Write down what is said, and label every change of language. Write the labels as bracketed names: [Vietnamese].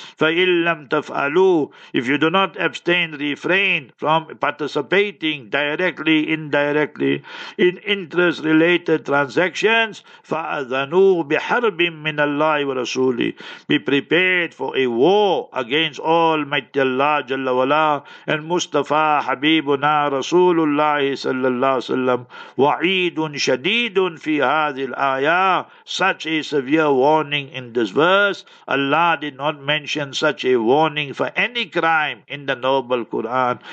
[Arabic] فَإِن لَمْ تَفْعَلُوا, [English] if you do not abstain, refrain from participating directly, indirectly, in interest-related transactions, [Arabic] فَأَذَنُوا بِحَرْبٍ مِّنَ اللَّهِ وَرَسُولِهِ, [English] be prepared for a war against Almighty Allah Jalla Wala and Mustafa Habib [Arabic] حبيبنا رسول الله صلى الله عليه وسلم وعيد شديد في هذه الآية. [English] Such a severe warning in this verse. Allah did not mention such a warning for any crime in the noble Quran.